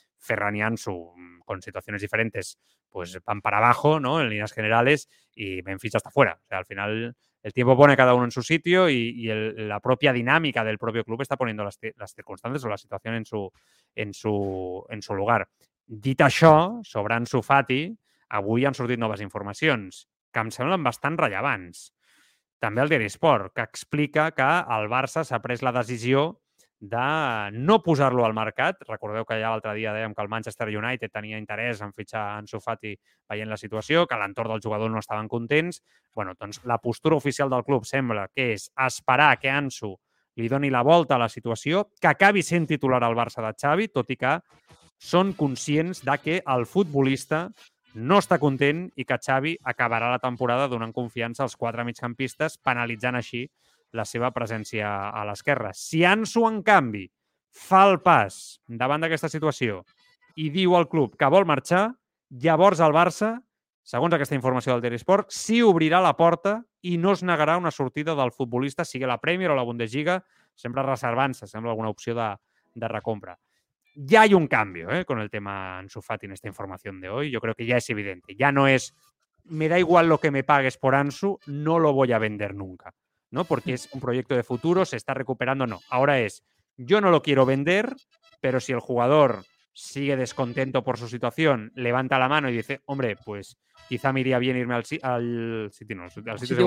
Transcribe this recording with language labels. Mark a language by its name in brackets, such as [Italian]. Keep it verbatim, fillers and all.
[Spanish] Ferran y Ansu, con situaciones diferentes, pues van para abajo, ¿no? En líneas generales, y Memphis hasta fuera. O sea, al final el tiempo pone cada uno en su sitio y, y el, la propia dinámica del propio club está poniendo las, las circunstancias o la situación en su, en su, en su lugar. [Catalan] Dit això, sobre Ansu Fati, avui han sortit noves informacions que em semblen bastant rellevants. També el Diari Sport, que explica que el Barça s'ha pres la decisió de no posar-lo al mercat. Recordeu que ja l'altre dia dèiem que el Manchester United tenia interès en fitxar Ansu Fati veient la situació, que a l'entorn del jugador no estaven contents. Bueno, doncs la postura oficial del club sembla que és esperar que Ansu li doni la volta a la situació, que acabi sent titular al Barça de Xavi, tot i que són conscients de que el futbolista no està content i que Xavi acabarà la temporada donant confiança als quatre migcampistes, penalitzant així la seva presència a l'esquerra. Si Ansu, en canvi, fa el pas davant d'aquesta situació i diu al club que vol marxar, llavors el Barça, segons aquesta informació del Diari Sport, sí obrirà la porta i no es negarà una sortida del futbolista, sigui la Premier o la Bundesliga, sempre reservant-se, sembla alguna opció de, de recompra. [Spanish] Ya hay un cambio ¿eh? con el tema Ansu Fati en esta información de hoy. Yo creo que ya es evidente. Ya no es, me da igual lo que me pagues por Ansu, no lo voy a vender nunca, ¿no? Porque es un proyecto de futuro, se está recuperando. No, ahora es, yo no lo quiero vender, pero si el jugador sigue descontento por su situación, levanta la mano y dice, hombre, pues quizá me iría bien irme al sitio, al sitio no, al sitio